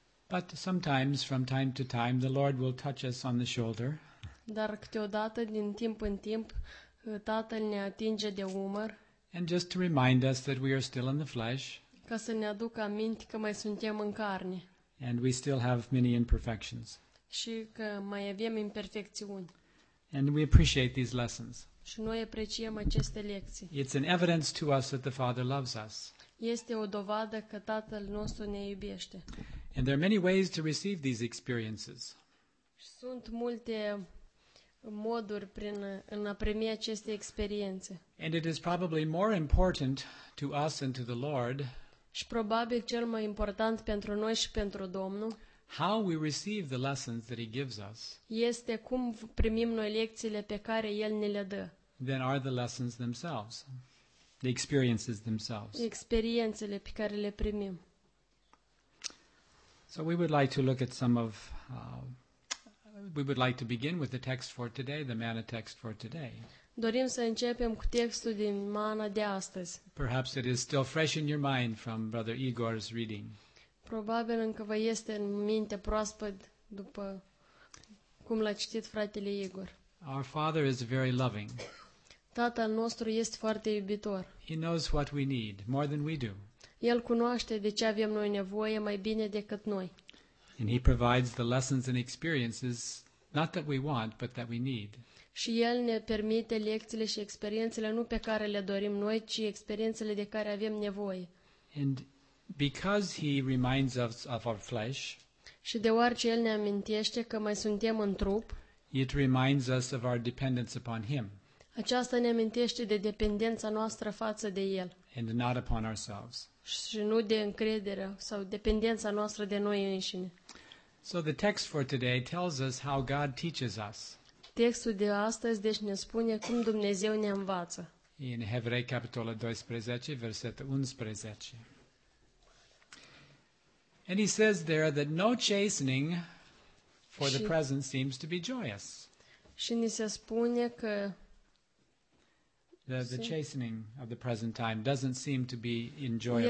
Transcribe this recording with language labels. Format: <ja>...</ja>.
<en>But sometimes from time to time the Lord will touch us on the shoulder.</en> <ro>Dar câteodată, din timp în timp, Tatăl ne atinge de umăr.</ro> <en>And just to remind us that we are still in the flesh.</en> <ro>Ca să ne aducă aminte că mai suntem în carne.</ro> <en>And we still have many imperfections.</en> <ro>Și că mai avem imperfecțiuni.</ro> <en>And we appreciate these lessons.</en> <ro>Și noi apreciem aceste lecții.</ro> <en>It's an evidence to us that the Father loves us.</en> <ro>Este o dovadă că Tatăl nostru ne iubește.</ro> <en>And there are many ways to receive these experiences.</en> <ro>Sunt multe moduri prin în a primi aceste experiențe.</ro> <en>And it is probably more important to us and to the Lord.</en> <ro>Și probabil cel mai important pentru noi și pentru Domnul.</ro> <en>How we receive the lessons that he gives us.</en> <ro>Este cum primim noi lecțiile pe care el ne le dă.</ro> <en>Then are the lessons themselves. The experiences themselves.</en> <ro>Experiențele pe care le primim.</ro> <en>So we would like to look at some of we would like to begin with the text for today, the manna text for today.</en> <ro>Dorim să începem cu textul din mana de astăzi.</ro> <en>Perhaps it is still fresh in your mind from Brother Igor's reading.</en> <ro>Probabil încă vă este în minte proaspăt după cum l-a citit fratele Igor.</ro> <en>Our Father is very loving.</en> <ro>Tatăl nostru este foarte iubitor.</ro> <en>He knows what we need more than we do.</en> <ro>El cunoaște de ce avem noi nevoie mai bine decât noi.</ro> <en>And he provides the lessons and experiences not that we want but that we need.</en> <ro>Și el ne permite lecțiile și experiențele nu pe care le dorim noi, ci experiențele de care avem nevoie.</ro> <en>And because he reminds us of our flesh.</en> <ro>Și deoarece el ne amintește că mai suntem în trup.</ro> <en>It reminds us of our dependence upon him.</en> <ro>Aceasta ne amintește de dependența noastră față de el.</ro> <en>And not upon ourselves.</en> <ro>Și nu de încredere sau dependența noastră de noi înșine.</ro> <en>So the text for today tells us how God teaches us.</en> <ro>Textul de astăzi deci ne spune cum Dumnezeu ne învață. În Evrei capitolul 12, versetul 11.</ro> <en>And he says there that no chastening for the present seems to be joyous.</en> <ro>Și ni se spune că</ro> <en>the chastening of the present time doesn't seem to be enjoyable.</en>